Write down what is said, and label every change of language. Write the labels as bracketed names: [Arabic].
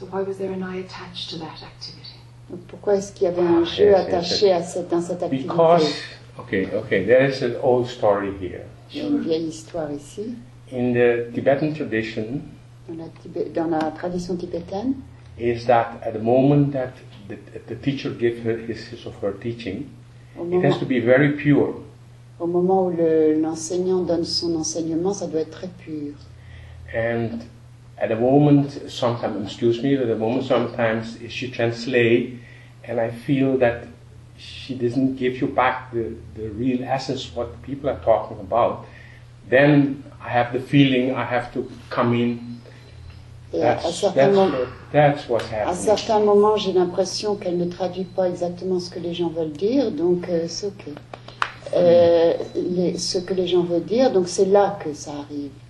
[English] So why was there an I attached to that activity? [French] Donc pourquoi est-ce qu'il y avait un jeu attaché dans cette activité? [English] Because, okay, there is an old story here. [French] Une vieille histoire ici. [English] In the Tibetan tradition. [French] Dans la tradition tibétaine. [English] Is that at the moment that the teacher gives her his or her teaching, it has to be very pure. [French] Au moment où l'enseignant donne son enseignement, ça doit être très pur. [English] And at the moment, sometimes, excuse me, at the moment, sometimes she translates, and I feel that she doesn't give you back the real essence what people are talking about. Then I have the feeling I have to come in. That's what's happening. [French] À certains moments, j'ai l'impression qu'elle ne traduit pas exactement ce que les gens veulent dire, donc c'est ok. Ce que les gens veulent dire, donc c'est là que ça arrive.